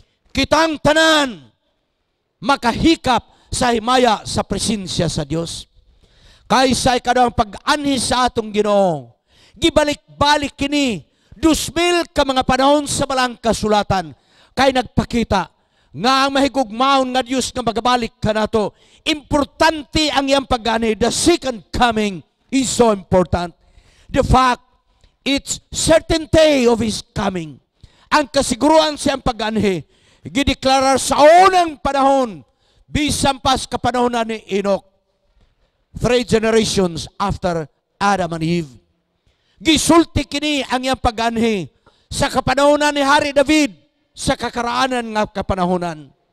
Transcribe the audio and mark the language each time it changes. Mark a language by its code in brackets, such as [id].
[ceb] Kitang tanan makahikap sa himaya sa presensya sa Dios. Kaysa ikadawang pag-anhi sa atong Ginoo, gibalik-balik kini 2,000 ka mga panahon sa balang kasulatan kay nagpakita nga ang mahigugmaon nga Dios nga magabalik kanato. Importante ang iyang pag-anhi. [en] The second coming is so important. The fact it's certainty of his coming. [ceb] Ang kasiguruan sa iyang pag-anhi gideklarar sa unang panahon bisan pa sa kapanahon ni Enoch. [en] 3 generations after Adam and Eve. [ceb] Gisulti kini ang iyang pag-anhi sa kapanahonan ni Hari David sa kakaraanan ng kapanahonan.